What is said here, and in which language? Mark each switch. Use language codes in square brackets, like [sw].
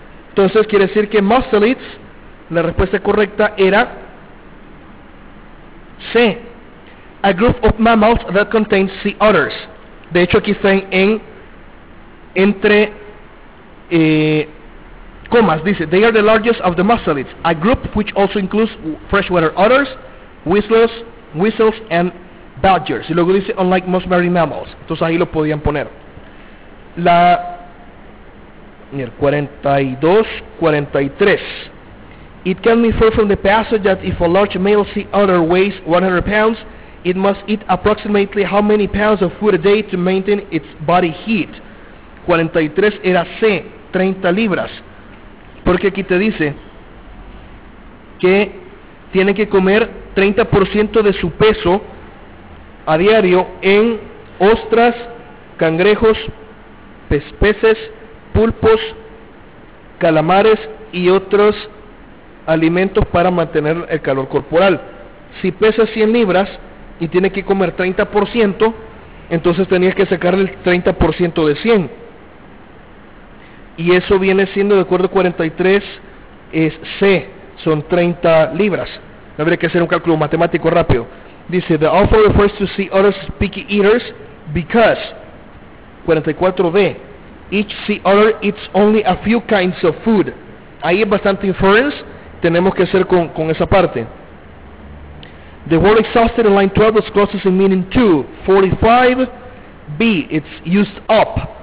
[es] Entonces quiere decir que muscleids, la respuesta correcta era C. [en] A group of mammals that contains sea otters. [es] De hecho aquí están entre comas, dice, [en] they are the largest of the muscleids, a group which also includes freshwater otters, whistles, and badgers. [es] Y luego dice, [en] unlike most marine mammals. [es] Entonces ahí lo podían poner. La 42, 43. [en] It can be inferred from the passage that if a large male sea otter weighs 100 pounds, it must eat approximately how many pounds of food a day to maintain its body heat. [es] 43 era C, 30 libras. Porque aquí te dice que tiene que comer 30% de su peso a diario en ostras, cangrejos, peces, pulpos, calamares y otros alimentos para mantener el calor corporal. Si pesa 100 libras y tiene que comer 30%, entonces tenías que sacarle el 30% de 100. Y eso viene siendo, de acuerdo a 43, es C, son 30 libras. Habría que hacer un cálculo matemático rápido. Dice, [en] the author refers to sea otters as picky eaters because, 44D, each sea otter eats only a few kinds of food. [es] Ahí es bastante inference, tenemos que hacer con esa parte. [en] The word exhausted in line 12 is closest in meaning to 45B, it's used up.